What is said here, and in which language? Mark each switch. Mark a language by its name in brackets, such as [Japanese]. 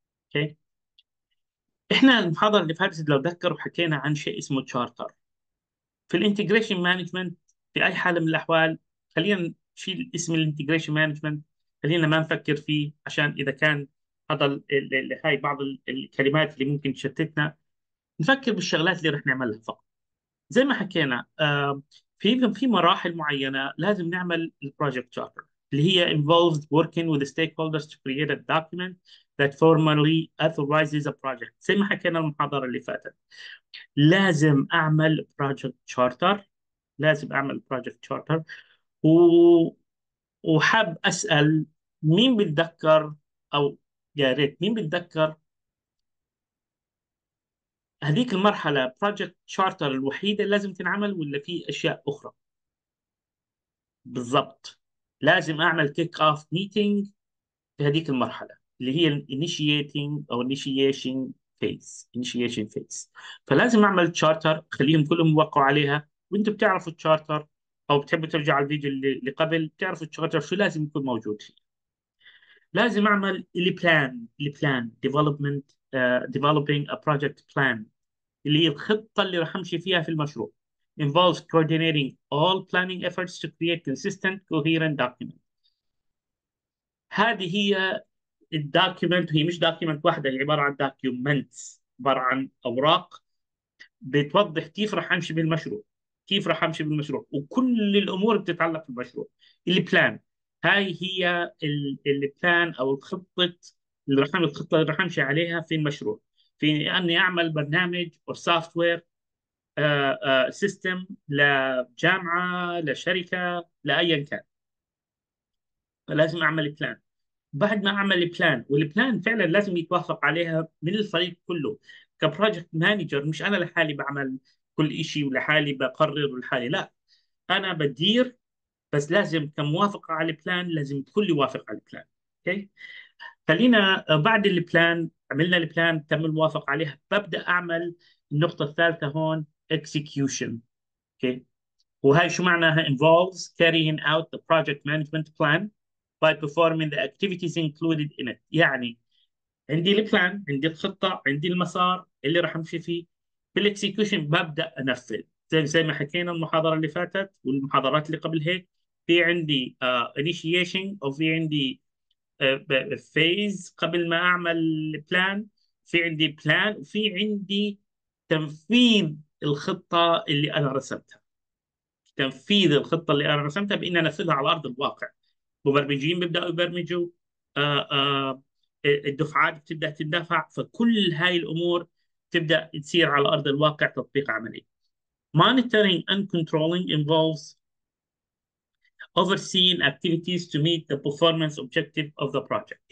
[Arabic] اوكي، احنا المحاضرة اللي فاتت لو تذكروا حكينا عن شيء اسمه charter. في ال integration management في أي حالة من الأحوال خلينا شيل اسم الانتجريشن مانجمنت، خلينا ما نفكر فيه عشان اذا كان هذا هاي بعض الكلمات اللي ممكن تشتتنا، نفكر بالشغلات اللي راح نعملها فقط. زي ما حكينا في مراحل معينه لازم نعمل البروجكت تشارتر اللي هي [English] involves working with the stakeholders to create a document that formally authorizes a project. [Arabic] زي ما حكينا المحاضره اللي فاتت لازم اعمل بروجكت تشارتر، لازم اعمل بروجكت تشارتر. وحاب أسأل مين بيتذكر، أو يا ريت مين بيتذكر هذيك المرحلة بروجكت شارتر الوحيدة اللي لازم تنعمل ولا في أشياء أخرى؟ بالضبط، لازم أعمل كيك أوف ميتينج في هذيك المرحلة اللي هي initiating أو initiation phase. initiation phase فلازم أعمل شارتر، خليهم كلهم يوقعوا عليها. وأنتم بتعرفوا الشارتر أو بتحبوا ترجعوا على الفيديو اللي قبل، بتعرفوا الشارتر شو لازم يكون موجود فيه. لازم أعمل البلان ديفلوبمنت ديفلوبينج ا بروجكت بلان اللي هي الخطة اللي راح أمشي فيها في المشروع. [English] involves coordinating all planning efforts to create consistent coherent document. [Arabic] هذه هي الدوكيمنت، هي مش دوكيمنت واحدة، هي عبارة عن دوكيومنتس، عبارة عن أوراق بتوضح كيف راح أمشي بالمشروع، كيف راح امشي بالمشروع، وكل الامور بتتعلق بالمشروع. البلان، هاي هي البلان او الخطه اللي راح اعمل، الخطه اللي راح امشي عليها في المشروع، في اني اعمل برنامج او سوفت وير سيستم لجامعه لشركه لايا كان. فلازم اعمل بلان. بعد ما اعمل بلان، والبلان فعلا لازم يتوافق عليها من الفريق كله كبروجكت مانجر، مش انا لحالي بعمل كل شيء ولحالي بقرر ولحالي، لا انا بدير، بس لازم كموافقه على البلان لازم الكل يوافق على البلان. اوكي، خلينا بعد البلان، عملنا البلان تم الموافقه عليها، ببدا اعمل النقطه الثالثه هون execution. اوكي، وهي شو معناها؟ [English] involves carrying out the project management plan by performing the activities included in it. [Arabic] يعني عندي البلان، عندي الخطه، عندي المسار اللي راح امشي فيه، بالاكسكيوشن ببدا انفذ. زي ما حكينا المحاضره اللي فاتت والمحاضرات اللي قبل هيك، في عندي انيشيشن او في عندي فيز قبل ما اعمل بلان، في عندي بلان، وفي عندي تنفيذ الخطة اللي أنا رسمتها. تنفيذ الخطة اللي أنا رسمتها بإني أنفذها على أرض الواقع. مبرمجين بيبدأوا يبرمجوا، الدفعات بتبدأ تندفع، فكل هاي الأمور تبدأ تصير على أرض الواقع تطبيق عملي. [English] Monitoring and controlling involves overseeing activities to meet the performance objective of the project.